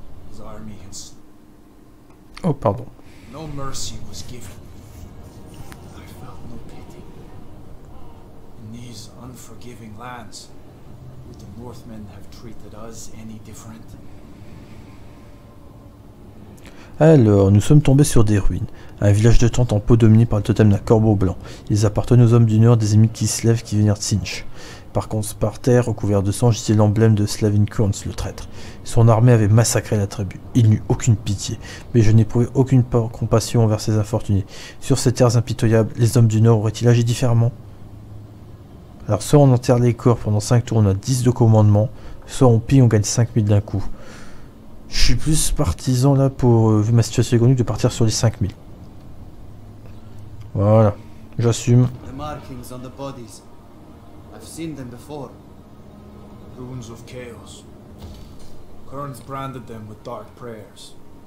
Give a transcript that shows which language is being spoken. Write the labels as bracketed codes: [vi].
[en] His army has... [fr] Oh, pardon. [en] No mercy was given. I felt no pity. In these unforgiving lands, would the Northmen have treated us any different? [fr] Alors, nous sommes tombés sur des ruines. Un village de tentes en peau dominé par le totem d'un corbeau blanc. Ils appartenaient aux hommes du nord des ennemis qui se lèvent qui venaient de Sinch. Par contre, par terre, recouvert de sang, gisait l'emblème de Slaven Kurns, le traître. Son armée avait massacré la tribu. Il n'eut aucune pitié, mais je n'éprouvais aucune compassion envers ces infortunés. Sur ces terres impitoyables, les hommes du nord auraient-ils agi différemment? Alors, soit on enterre les corps pendant 5 tours, on a 10 de commandement, soit on pille, on gagne 5000 d'un coup. Je suis plus partisan là pour, vu ma situation économique, de partir sur les 5000. Voilà, j'assume. Les marquages sur les corps, j'ai vu avant. Les runes du chaos. [en] Kurns branded them with dark prayers.